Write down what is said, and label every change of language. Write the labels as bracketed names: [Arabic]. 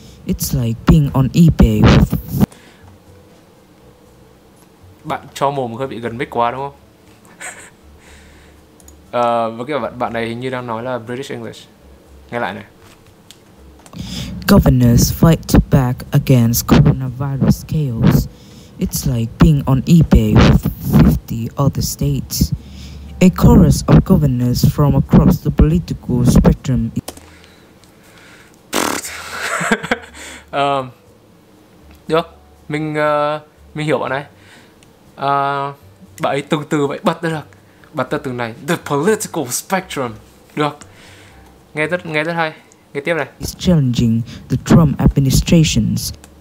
[English] It's like being on eBay with... [Vietnamese] Bạn cho mồm hơi bị gần mic quá đúng không? Với cái bạn này hình như đang nói là British English. Nghe lại này. [English] Governors fight back against coronavirus chaos. It's like being on eBay with 50 other states. A chorus of governors from across the political spectrum. [Vietnamese] Được, mình hiểu bạn này. Bạn ấy từ vậy bật ra được, bật ra từ này, [English] the political spectrum. [Vietnamese] Được, nghe rất hay. Nghe tiếp này. [English] It's challenging the Trump administration's.